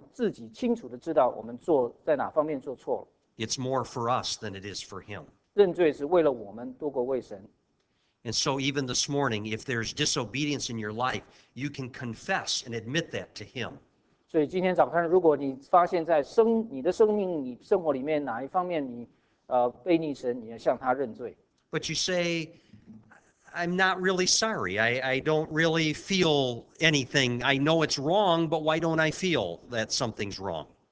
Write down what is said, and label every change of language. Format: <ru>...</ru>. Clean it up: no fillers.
<zh>并不是因为神不知道我们内心的深处想什么，而是神要我们知道，神要我们自己清楚地知道我们在哪方面做错了。</zh> <en>It's more for us than it is for him.</en> <zh>认罪是为了我们多过为神。</zh> <en>And so even this morning, if there's disobedience in your life, you can confess and admit that to him.</en> <zh>所以今天早上，如果你发现在你的生命、你生活里面哪一方面你 背逆神，你要向他认罪。</zh> <en>But you say, I'm not really sorry. I don't really feel anything. I know it's wrong, but why don't I feel that something's wrong?</en>